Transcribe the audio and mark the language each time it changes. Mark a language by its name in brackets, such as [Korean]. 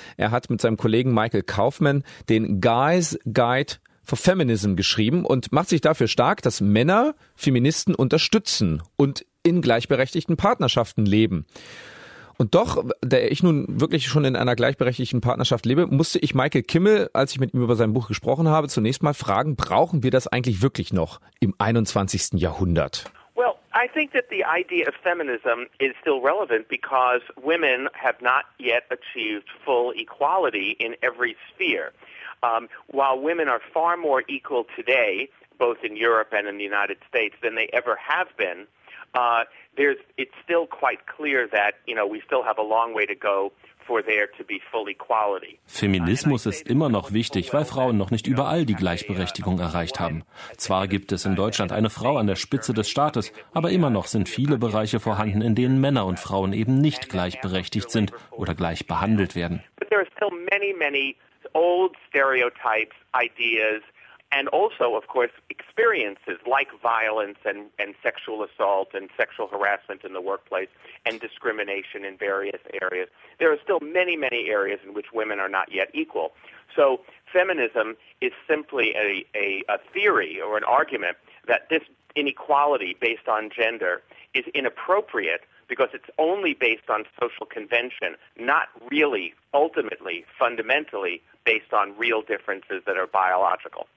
[German] Er hat mit seinem Kollegen Michael Kaufmann den Guy's Guide for Feminism geschrieben und macht sich dafür stark, dass Männer Feministen unterstützen und in gleichberechtigten Partnerschaften leben. Und doch, da ich nun wirklich schon in einer gleichberechtigten Partnerschaft lebe, musste ich Michael Kimmel, als ich mit ihm über sein Buch gesprochen habe, zunächst mal fragen, brauchen wir das eigentlich wirklich noch im 21. Jahrhundert? [English] Well, I think that the idea of feminism is still relevant because women have not yet achieved full equality in every sphere. While women are far more equal today, both in Europe and in the United States, than they ever have been, it's still quite clear that, you know, we still have a long way to go for there to be full equality. [German] Feminismus ist immer noch wichtig, weil Frauen noch nicht überall die Gleichberechtigung erreicht haben. Zwar gibt es in Deutschland eine Frau an der Spitze des Staates, aber immer noch sind viele Bereiche vorhanden, in denen Männer und Frauen eben nicht gleichberechtigt sind oder gleich behandelt werden. [English] But there are still many, many old stereotypes, ideas, and also, of course, experiences like violence and sexual assault and sexual harassment in the workplace and discrimination in various areas. There are still many, many areas in which women are not yet equal. So feminism is simply a theory or an argument that this inequality based on gender is inappropriate because it's only based on social convention, not really, ultimately, fundamentally, based on real differences that are biological.